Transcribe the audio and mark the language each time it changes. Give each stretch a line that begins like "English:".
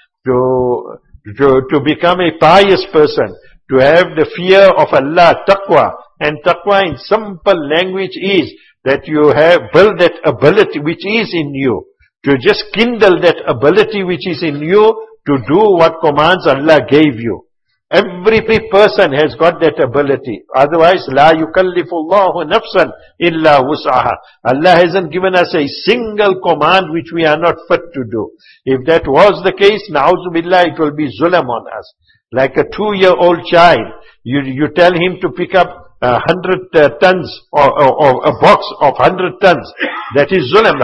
English: To become a pious person, to have the fear of Allah, taqwa. And taqwa in simple language is that you have built that ability which is in you, to just kindle that ability which is in you to do what commands Allah gave you. Every person has got that ability.
Arabic: Otherwise, لا يكلف الله نفسا إلا وسعها.
English: Allah hasn't given us a single command which we are not fit to do. If that was the case,
Arabic: نعوذ بالله,
English: it will be zulam on us. Like a 2-year-old child, you tell him to pick up 100 tons or a box of 100 tons. That is zulam.